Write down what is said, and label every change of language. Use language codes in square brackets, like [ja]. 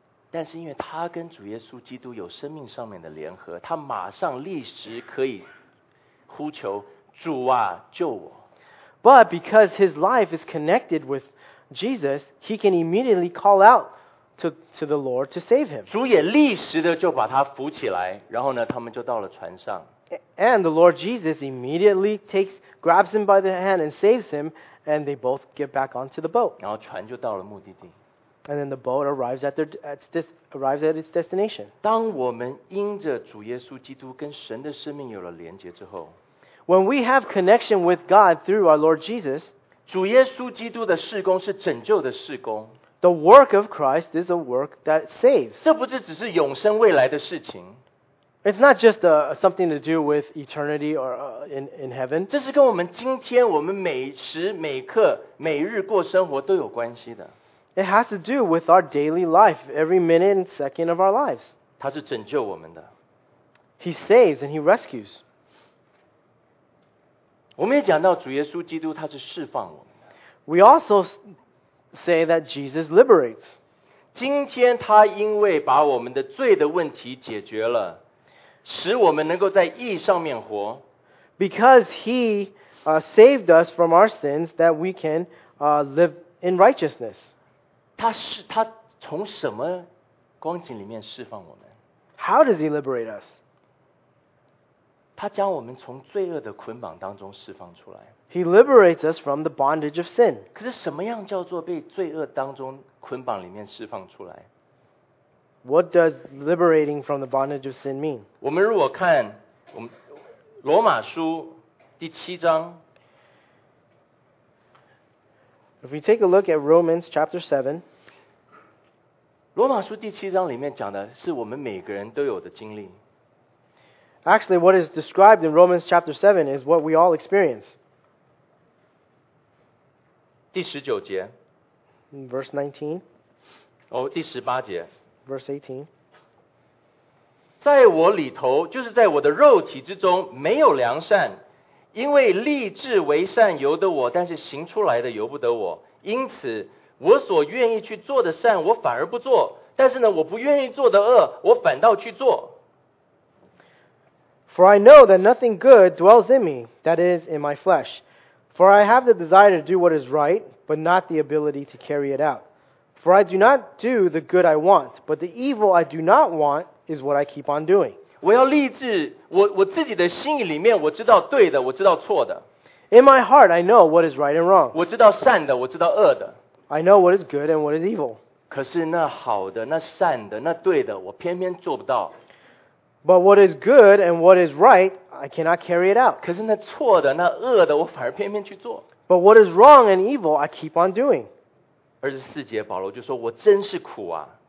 [zh] 但是因为他跟主耶稣基督有生命上面的联合，他马上立时可以呼求主啊，救我。 [en] But because his life is connected with Jesus, he can immediately call out to the Lord to save him. [zh] 主也立时的就把他扶起来，然后呢，他们就到了船上。 [en] And the Lord Jesus immediately grabs him by the hand and saves him, and they both get back onto the boat. [zh] 然后船就到了目的地。 [en] And then the boat arrives at its destination. [zh] 当我们因着主耶稣基督跟神的生命有了连结之后， [en] When we have connection with God through our Lord Jesus, [zh] 主耶稣基督的事工是拯救的事工。 [en] The work of Christ is a work that saves. [zh] 这不是只是永生未来的事情。 [en] It's not just something to do with eternity or in heaven. [zh] 这是跟我们今天我们每时每刻每日过生活都有关系的。 [en] It has to do with our daily life, every minute and second of our lives. [zh] 他是拯救我们的。 [en] He saves and he rescues. [zh] 我们也讲到主耶稣基督他是释放我们的。 [en] We also say that Jesus liberates. [zh] 今天他因为把我们的罪的问题解决了，使我们能够在义上面活。 [en] Because he saved us from our sins that we can live in righteousness. [zh] 他从什么光景里面释放我们？ [en] How does he liberate us? [zh] 他将我们从罪恶的捆绑当中释放出来。 [en] He liberates us from the bondage of sin. [zh] 可是什么样叫做被罪恶当中捆绑里面释放出来？ [en] What does liberating from the bondage of sin mean? [zh] 我们如果看我们罗马书第七章。 [en] If we take a look at Romans chapter 7, [zh] 罗马书第七章里面讲的是我们每个人都有的经历。 [en] Actually, what is described in Romans chapter 7 is what we all experience. [zh] 第十九节。 [en] Verse 19. [zh] 第十八节。 [en] Verse 18. [zh] 在我里头，就是在我的肉体之中，没有良善。因为立志为善由得我，但是行出来的由不得我。因此，我所愿意去做的善，我反而不做；但是呢，我不愿意做的恶，我反倒去做。 [en] For I know that nothing good dwells in me, that is, in my flesh. For I have the desire to do what is right, but not the ability to carry it out. For I do not do the good I want, but the evil I do not want is what I keep on doing. [zh] 我要立志，我自己的心里面我知道对的，我知道错的。 [en] In my heart, I know what is right and wrong. [zh] 我知道善的，我知道恶的。 [en] I know what is good and what is evil. [zh] 可是那好的，那善的，那对的，我偏偏做不到。 [en] But what is good and what is right, I cannot carry it out. [zh] 可是那错的，那恶的，我反而偏偏去做。 [en] But what is wrong and evil, I keep on doing. [zh] 24节保罗就说，我真是苦啊。